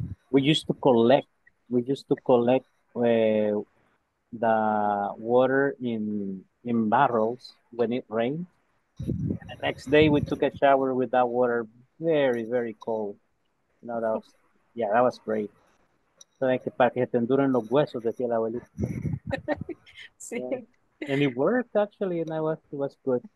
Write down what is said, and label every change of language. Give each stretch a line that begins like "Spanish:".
English: We used to collect the water in barrels when it rained. And the next day we took a shower with that water, very very cold. No, that was great. So like
Spanish: para que te enduren los huesos, decía la abuelita. Sí.
English: And it worked actually, and it was good.